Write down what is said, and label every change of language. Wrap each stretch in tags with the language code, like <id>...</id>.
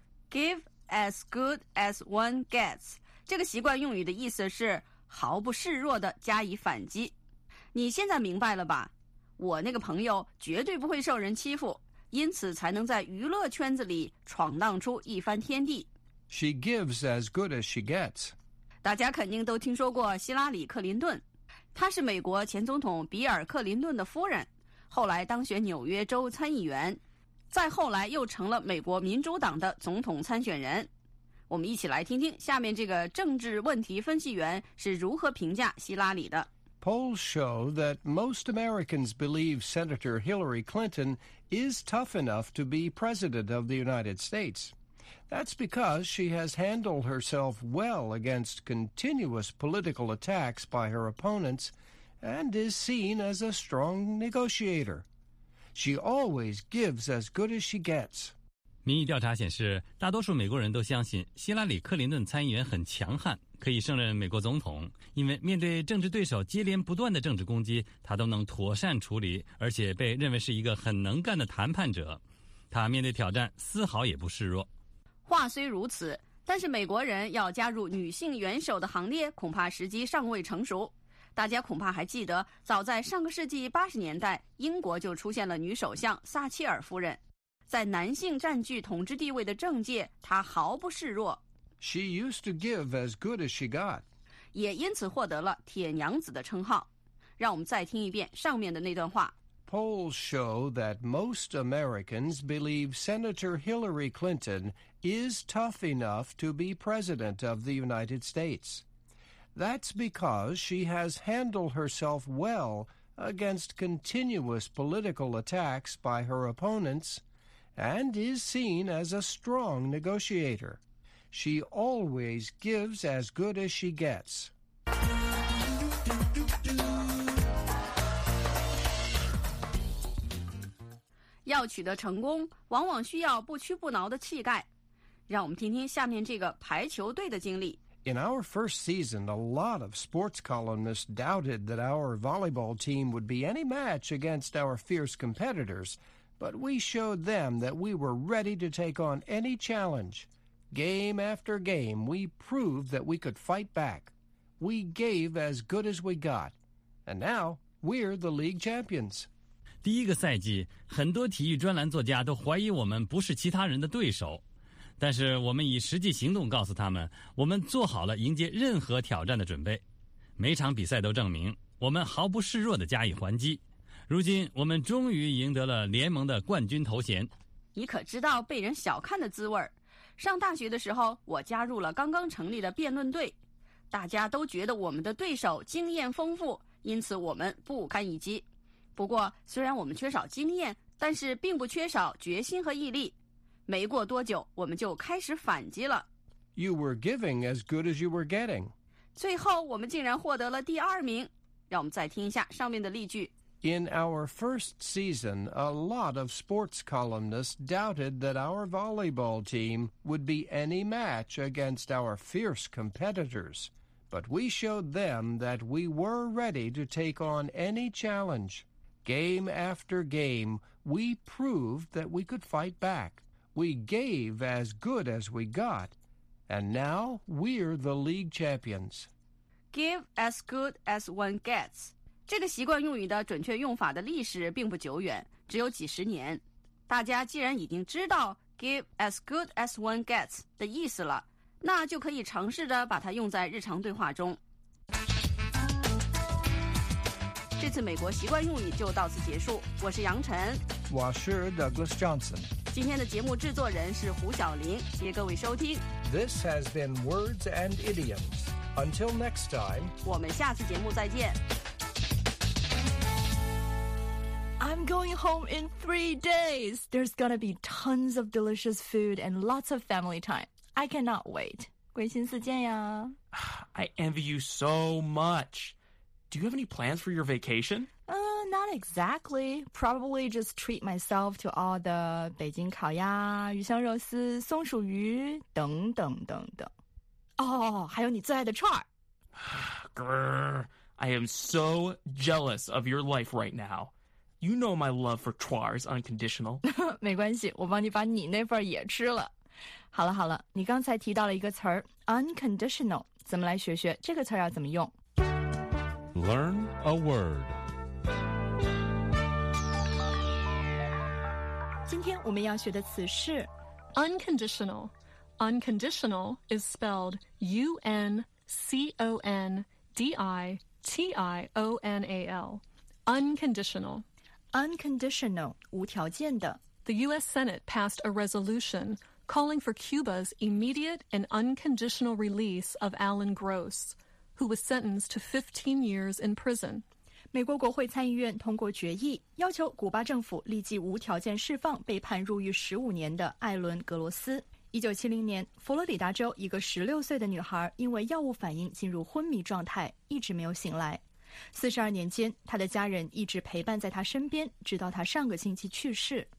<en>Give as good as one gets.</en> <zh>这个习惯用语的意思是毫不示弱的加以反击。你现在明白了吧？我那个朋友绝对不会受人欺负，因此才能在娱乐圈子里闯荡出一番天地。</zh> <en>She gives as good as she gets.</en> <zh>大家肯定都听说过希拉里·克林顿，她是美国前总统比尔·克林顿的夫人，后来当选纽约州参议员，再后来又成了美国民主党的总统参选人。我们一起来听听下面这个政治问题分析员是如何评价希拉里的。</zh> <en>Polls show that most Americans believe Senator Hillary Clinton is tough enough to be president of the United States. That's because she has handled herself well against continuous political attacks by her opponents and is seen as a strong negotiator. She always gives as good as she gets.</en> <zh>民意调查显示，大多数美国人都相信希拉里·克林顿参议员很强悍，可以胜任美国总统，因为面对政治对手接连不断的政治攻击，他都能妥善处理，而且被认为是一个很能干的谈判者。他面对挑战丝毫也不示弱。话虽如此，但是美国人要加入女性元首的行列，恐怕时机尚未成熟。大家恐怕还记得，早在上个世纪80年代，英国就出现了女首相撒切尔夫人。在男性占据统治地位的政界，她毫不示弱。</zh> <en>She used to give as good as she got.</en> <zh>也因此获得了铁娘子的称号。让我们再听一遍上面的那段话。</zh> <en>Polls show that most Americans believe Senator Hillary Clinton is tough enough to be president of the United States. That's because she has handled herself well against continuous political attacks by her opponents and is seen as a strong negotiator. She always gives as good as she gets.</en> <zh>要取得成功，往往需要不屈不挠的气概。让我们听听下面这个排球队的经历。</zh> <en>In our first season, a lot of sports columnists doubted that our volleyball team would be any match against our fierce competitors, but we showed them that we were ready to take on any challenge. Game after game, we proved that we could fight back. We gave as good as we got. And now, we're the league champions.</en> <zh>第一个赛季，很多体育专栏作家都怀疑我们不是其他人的对手，但是我们以实际行动告诉他们，我们做好了迎接任何挑战的准备。每场比赛都证明，我们毫不示弱地加以还击。如今，我们终于赢得了联盟的冠军头衔。你可知道被人小看的滋味？上大学的时候，我加入了刚刚成立的辩论队，大家都觉得我们的对手经验丰富，因此我们不堪一击。不过，虽然我们缺少经验，但是并不缺少决心和毅力。没过多久，我们就开始反击了。</zh> <en>You were giving as good as you were getting.</en> <zh>最后，我们竟然获得了第二名。让我们再听一下上面的例句。</zh> <en>In our first season, a lot of sports columnists doubted that our volleyball team would be any match against our fierce competitors. But we showed them that we were ready to take on any challenge. Game after game, we proved that we could fight back. We gave as good as we got. And now we're the league champions. Give as good as one gets.</en> <zh>这个习惯用语的准确用法的历史并不久远，只有几十年。大家既然已经知道</zh> <en>give as good as one gets</en> <zh>的意思了，那就可以尝试着把它用在日常对话中。这次美国习惯用语就到此结束，我是杨晨，我是 Douglas Johnson，今天的节目制作人是胡晓玲，谢谢各位收听。</zh> <en>This has been Words and Idioms. Until next time，</en> <zh>我们下次节目再见。</zh> <en>I'm going home in 3 days. There's gonna be tons of delicious food and lots of family time. I cannot wait.</en> <zh>鬼心似箭呀。</zh> <en>I envy you so much. Do you have any plans for your vacation? Not exactly. Probably just treat myself to all the</en> <zh>北京烤鸭、鱼香肉丝、松鼠鱼等等等等。 Oh, 还有你最爱的串儿。</zh> <en>Grr, I am so jealous of your life right now. You know my love for串儿is unconditional.</en> <zh>没关系，我帮你把你那份也吃了。好了好了，你刚才提到了一个词儿 unconditional. 咱们来学学这个词儿要怎么用。</zh> <en>Learn a word.</en> <zh>今天我们要学的词是</zh> <en>unconditional. Unconditional is spelled UNCONDITIONAL. Unconditional.</en> <zh>Unconditional, 无条件的。</zh> <en>The US Senate passed a resolution calling for Cuba's immediate and unconditional release of Alan Gross. Who was sentenced to 15 years in prison.</en> <zh>美国国会参议院通过决议，要求古巴政府立即无条件释放被判入狱15年的艾伦·格罗斯。 1970年，佛罗里达州一个16岁的女孩因为药物反应进入昏迷状态，一直没有醒来。 42年间，她的家人一直陪伴在她身边，直到她上个星期去世。</zh>